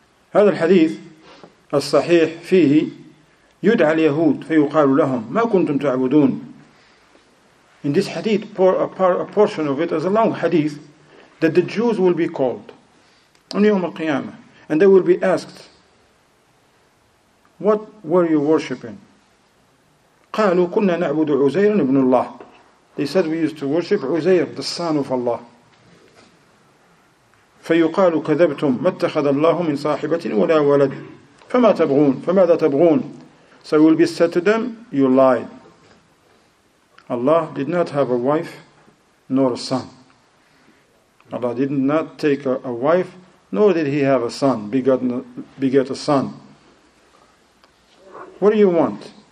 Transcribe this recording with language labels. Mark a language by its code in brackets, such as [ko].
[ar] هذا الحديث الصحيح فيه يدعى اليهود فيقال لهم ما كنتم تعبدون. [en] In this hadith, a portion of it is a long hadith that the Jews will be called on يوم القيامة and they will be asked, what were you worshipping? [ar] قالوا كنا نعبد عزير ابن الله. [en] They said we used to worship عزير, the son of Allah. [ar] فيقال كذبتم ما اتخذ الله من صاحبة ولا ولد فما تبغون فماذا تبغون. [en] So it will be said to them, you lied. Allah did not have a wife nor a son. Allah did not take a wife, nor did he have a son, beget a son. What do you want?